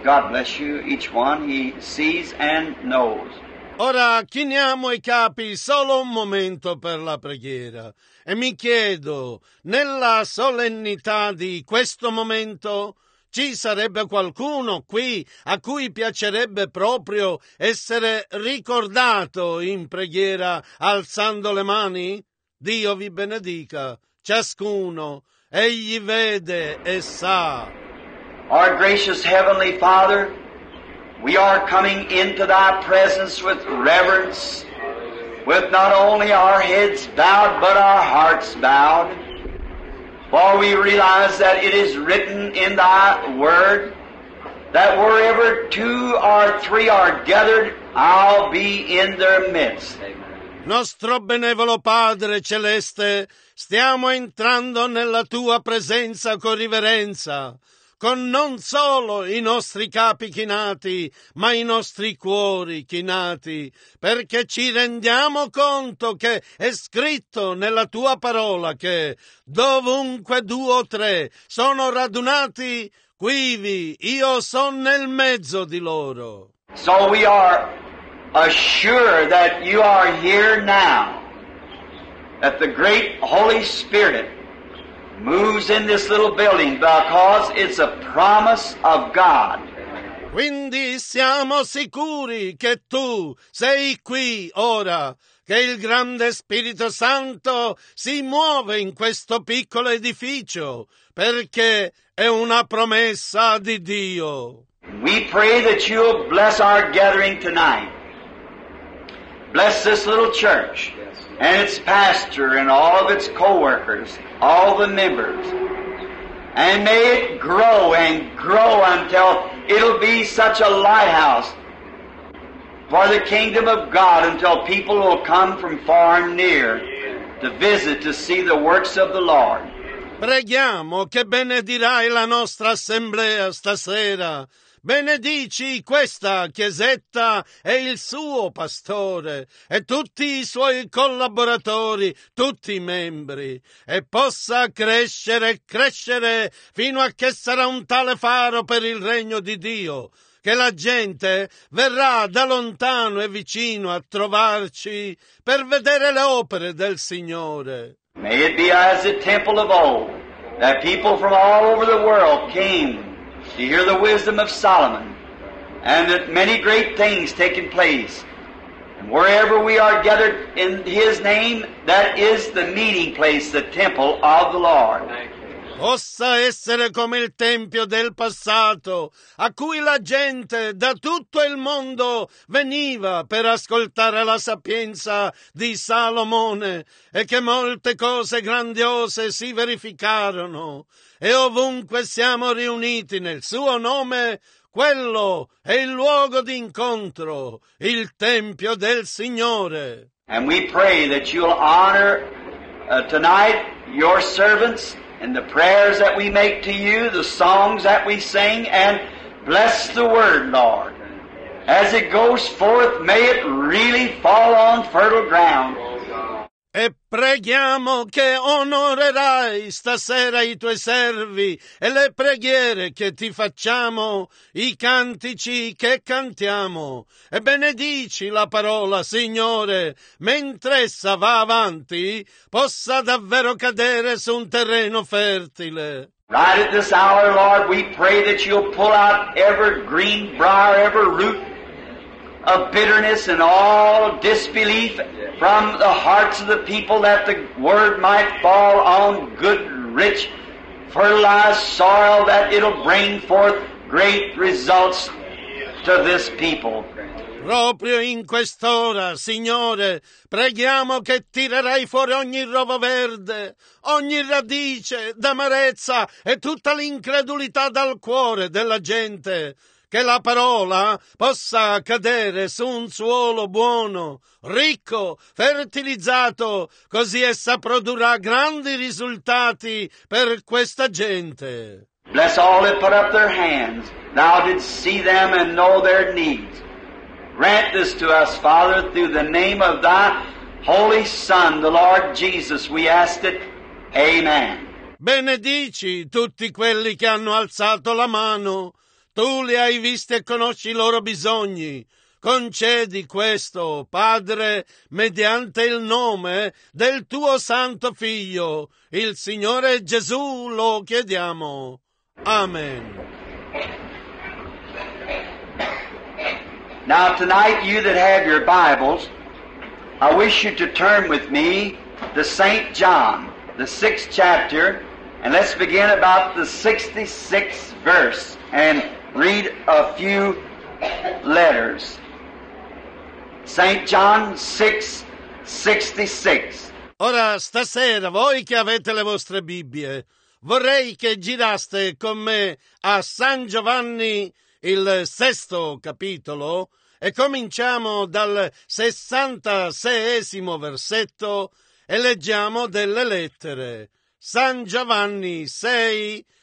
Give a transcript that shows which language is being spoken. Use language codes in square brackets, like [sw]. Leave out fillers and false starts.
[en] God bless you, each one. He sees and knows. [it] Ora chiniamo i capi solo un momento per la preghiera. E mi chiedo, nella solennità di questo momento, ci sarebbe qualcuno qui a cui piacerebbe proprio essere ricordato in preghiera alzando le mani? Dio vi benedica, ciascuno. Egli vede e sa. [en] Our gracious Heavenly Father, we are coming into Thy presence with reverence, with not only our heads bowed, but our hearts bowed. For we realize that it is written in Thy Word that wherever two or three are gathered, I'll be in their midst. [it] Nostro benevolo Padre Celeste, stiamo entrando nella Tua presenza con riverenza, con non solo i nostri capi chinati, ma i nostri cuori chinati, perché ci rendiamo conto che è scritto nella tua parola che dovunque due o tre sono radunati, quivi io son nel mezzo di loro. [en] So we are assured that you are here now, that the great Holy Spirit moves in this little building because it's a promise of God. [it] Quindi siamo sicuri che tu sei qui ora, che il grande Spirito Santo si muove in questo piccolo edificio perché è una promessa di Dio. [en] We pray that you'll bless our gathering tonight. Bless this little church and its pastor and all of its co-workers, all the members. And may it grow and grow until it'll be such a lighthouse for the kingdom of God, until people will come from far and near to visit to see the works of the Lord. [it] Preghiamo che benedirai la nostra assemblea stasera. Benedici questa chiesetta e il suo pastore e tutti i suoi collaboratori, tutti i membri, e possa crescere e crescere fino a che sarà un tale faro per il regno di Dio, che la gente verrà da lontano e vicino a trovarci per vedere le opere del Signore. [en] May it be as the temple of old, that people from all over the world came to hear the wisdom of Solomon, and that many great things taken place. And wherever we are gathered in his name, that is the meeting place, the temple of the Lord. [it] Possa essere come il tempio del passato, a cui la gente da tutto il mondo veniva per ascoltare la sapienza di Salomone, e che molte cose grandiose si verificarono. E ovunque siamo riuniti nel suo nome, quello è il luogo d'incontro, il tempio del Signore. [en] And we pray that you'll honor tonight your servants and the prayers that we make to you, the songs that we sing, and bless the word, Lord. As it goes forth, may it really fall on fertile ground. [it] E preghiamo che onorerai stasera i tuoi servi e le preghiere che ti facciamo, i cantici che cantiamo. E benedici la parola, Signore, mentre essa va avanti, possa davvero cadere su un terreno fertile. [en] Right at this hour, Lord, we pray that you'll pull out every green briar, every root of bitterness and all disbelief from the hearts of the people, that the word might fall on good, rich, fertilized soil, that it'll bring forth great results to this people. [it] Proprio in quest'ora, Signore, preghiamo che tirerai fuori ogni rovo verde, ogni radice d'amarezza e tutta l'incredulità dal cuore della gente, che la parola possa cadere su un suolo buono, ricco, fertilizzato, così essa produrrà grandi risultati per questa gente. [en] Bless all that put up their hands. Thou didst see them and know their needs. Grant this to us, Father, through the name of Thy Holy Son, the Lord Jesus. We ask it. Amen. [it] Benedici tutti quelli che hanno alzato la mano. Tu li hai visti e conosci i loro bisogni. Concedi questo, Padre, mediante il nome del tuo Santo Figlio, il Signore Gesù, lo chiediamo. Amen. [en] Now tonight, you that have your Bibles, I wish you to turn with me to St. John, the 6th chapter, and let's begin about the 66th verse and read a few letters. St. John 6:66. [it] Ora stasera, voi che avete le vostre Bibbie, vorrei che giraste con me a San Giovanni il 6° capitolo e cominciamo dal 66° versetto e leggiamo delle lettere. San Giovanni 6,